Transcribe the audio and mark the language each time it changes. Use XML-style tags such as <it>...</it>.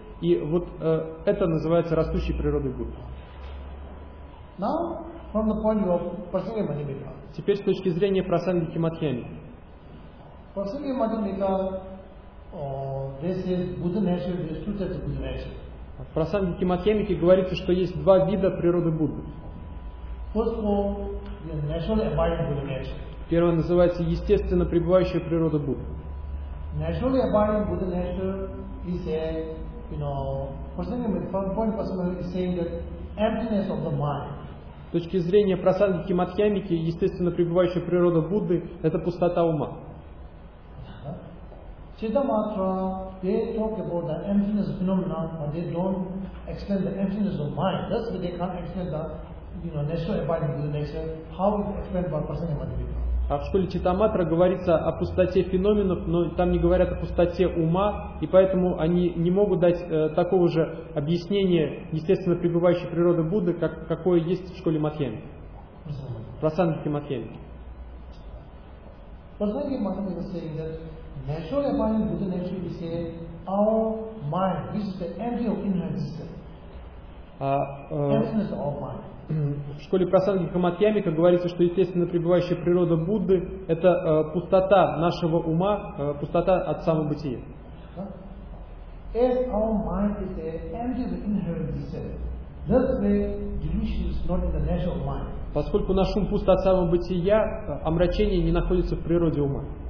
<ru>И это называется растущей природой Будды.</ru> <en>Now, from the point of Prasangya Madhyamika.</en> <ru>Теперь с точки зрения Прасангики Мадхьями.</ru> <en>Prasangya Madhyamika, they say Buddha nature, there is two types of Buddha nature.</en> <ru>В Прасангике Мадхьямики говорится, что есть два вида природы Будды.</ru> <en>First of all, the naturally abiding Buddha nature.</en> <ru>Первое называется естественно пребывающая природа Будды.</ru> <en>Naturally abiding Buddha nature is a, you know, Prasangya Madhyamika, from the point of Prasangya Madhyamika, is saying that emptiness of the mind.</en> <ru>С точки зрения Прасангики Мадхьямики, естественно пребывающая природа Будды – это пустота ума.</ru> <en>Сиддхаматра, they talk about the emptiness phenomenon, but they don't explain the emptiness of mind. That's why they can't explain the, you know, natural abiding Buddha nature. How it explained by Prasangya Madhyamika?</en> <ru>А в школе Читаматра говорится о пустоте феноменов, но там не говорят о пустоте ума, и поэтому они не могут дать такого же объяснения естественно пребывающей природы Будды, как какое есть в школе Мадхьями. Прасангике Мадхьями. Прасангике Мадхьями говорит, что</ru> <en>naturally abiding Buddha nature is our mind, which is the empty of inherent system.</en> <ru>В школе Прасангика Мадхьямика говорится, что естественно пребывающая природа Будды – это пустота нашего ума, пустота от самобытия.</ru> <en>As our mind is the empty of inherent self, that way delusion is not in the nature of mind.</en> <ru>Поскольку наш ум пуст от самобытия, омрачение не находится в природе ума.</ru>